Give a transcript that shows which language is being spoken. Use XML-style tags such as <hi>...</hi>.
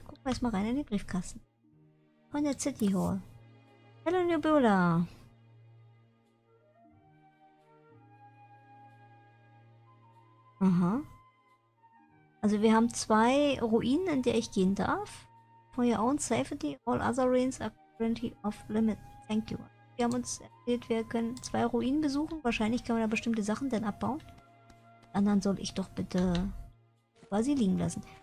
<de>Gucken wir erstmal rein in den Briefkasten. Von der City Hall. Hallo Nebula. Aha. Also wir haben zwei Ruinen, in der ich gehen darf.</de> <en>For your own safety, all other ruins are currently off limit. Thank you.</en> <de>Wir haben uns erzählt, wir können zwei Ruinen besuchen. Wahrscheinlich können wir da bestimmte Sachen dann abbauen. Die anderen soll ich doch bitte quasi liegen lassen.</de>